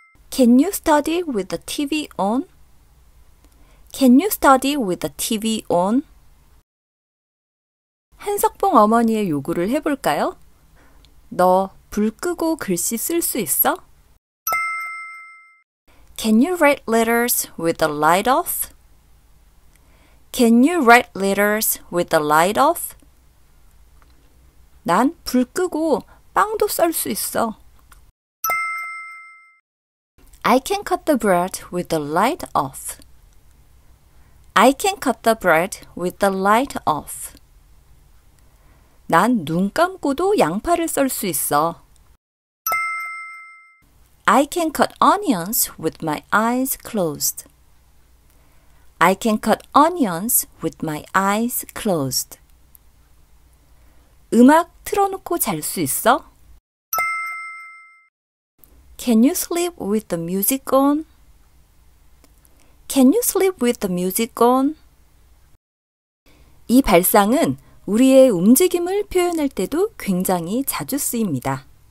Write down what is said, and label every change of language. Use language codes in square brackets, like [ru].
[en] Can you study with the TV on? Can you study with the TV on? [ko] 한석봉 어머니의 요구를 해볼까요? 너불 끄고 글씨 쓸수 있어? [en] Can you write letters with the light off? Can you write letters with the light off? [ko] 난불 끄고 빵도 썰수 있어. [en] I can cut the bread with the light off. I can cut the bread with the light off. [ko] 난눈 감고도 양파를 썰수 있어. [en] I can cut onions with my eyes closed. I can cut onions with my eyes closed. [ko] 음악 틀어놓고 잘수 있어? [en] Can you sleep with the music on? Can you sleep with the music on? [ko] 이 발상은 우리의 움직임을 표현할 때도 굉장히 자주 쓰입니다.